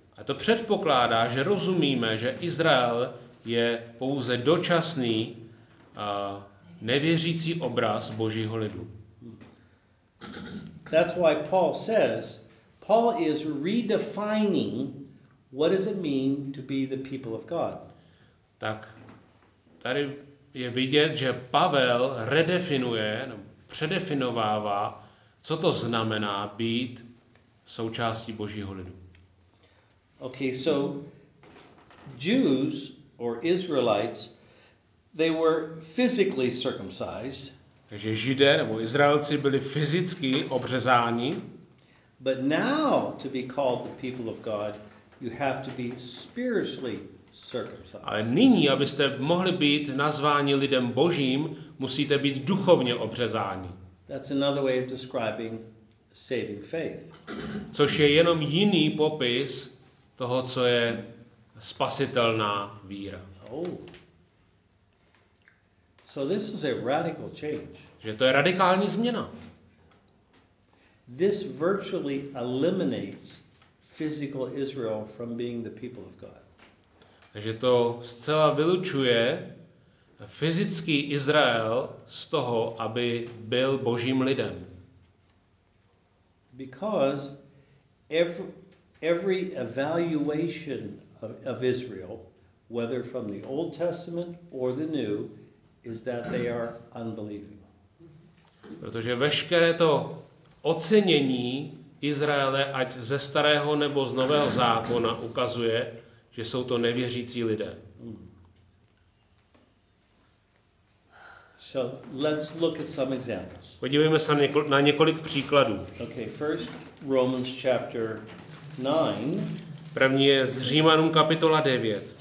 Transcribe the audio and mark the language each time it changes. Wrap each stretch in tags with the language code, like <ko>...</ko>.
<cs>A to předpokládá, že rozumíme, že Izrael je pouze dočasný nevěřící obraz Božího lidu.</cs> <en>That's why Paul says, Paul is redefining what does it mean to be the people of God.</en> <cs>Tak tady je vidět, že Pavel redefinuje, předefinovává, co to znamená být součástí Božího lidu.</cs> <en>Okay, so Jews or Israelites, they were physically circumcised.</en> <cs>Takže Židé nebo Izraelci byli fyzicky obřezáni.</cs> <en>But now to be called the people of God, you have to be spiritually circumcised.</en> <cs>Ale nyní, abyste mohli být nazváni lidem Božím, musíte být duchovně obřezáni.</cs> <en>That's another way of describing saving faith.</en> <cs>Což je jenom jiný popis toho, co je spasitelná víra. Oh.</cs> <en>So this is a radical change.</en> <cs>Že to je radikální změna.</cs> <en>This virtually eliminates physical Israel from being the people of God.</en> <cs>Takže to zcela vylučuje fyzický Izrael z toho, aby byl Božím lidem.</cs> <en>Because every evaluation of Israel, whether from the Old Testament or the New, is that they are unbelieving.</en> <cs>Protože veškeré to ocenění Izraele, ať ze starého nebo z nového zákona, ukazuje, že jsou to nevěřící lidé.</cs> <en>So let's look at some examples.</en> <cs>Podívejme se na několik příkladů.</cs> <en>Okay, first Romans chapter 9.</en> <cs>První je z Římanům kapitola 9.</cs>